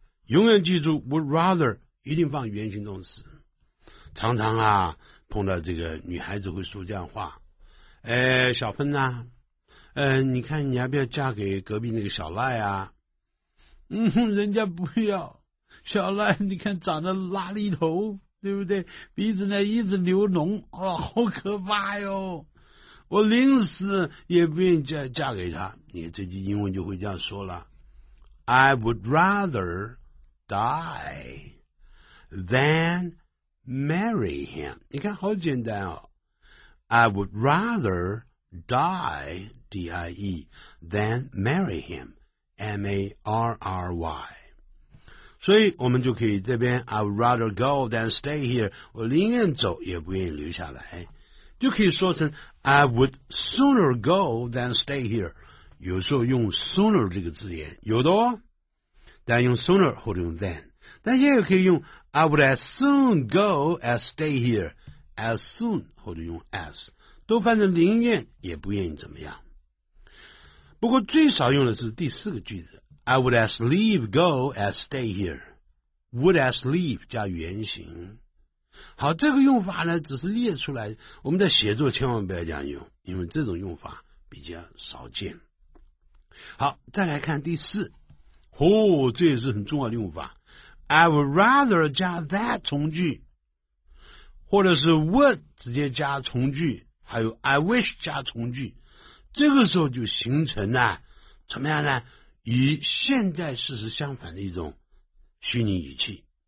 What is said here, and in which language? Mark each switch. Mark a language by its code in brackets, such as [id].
[zh] 永远记住 would rather 一定放原形动词。常常啊碰到这个女孩子会说这样话，哎，小芬啊，你看你要不要嫁给隔壁那个小赖啊，嗯，人家不要，小赖你看长得拉痢头，对不对，鼻子呢一直流脓，哦，好可怕哟，我临死也不愿意 嫁给他。你这句英文就会这样说了， [en] I would rather die than marry him， [zh] 你看好简单哦， [en] I would rather die D-I-E than marry him M-A-R-R-Y。 [zh] 所以我们就可以这边 [en] I would rather go than stay here， [zh] 我宁愿走也不愿意留下来，就可以说成 [en] I would sooner go than stay here。 [zh] 有时候用 sooner 这个字眼有的哦，但用 sooner 或者用 than， 但现在可以用 [en] I would as soon go as stay here， [zh] as soon 或者用 as 都反正宁愿也不愿意怎么样。不过最少用的是第四个句子， [en] I would as leave go as stay here， would as leave [zh] 加原形。好，这个用法呢只是列出来，我们在写作千万不要这样用，因为这种用法比较少见。好，再来看第四，哦，这也是很重要的用法， I would rather 加 that 从句，或者是 would 直接加从句，还有 I wish 加从句，这个时候就形成了怎么样呢，与现在事实相反的一种虚拟语气。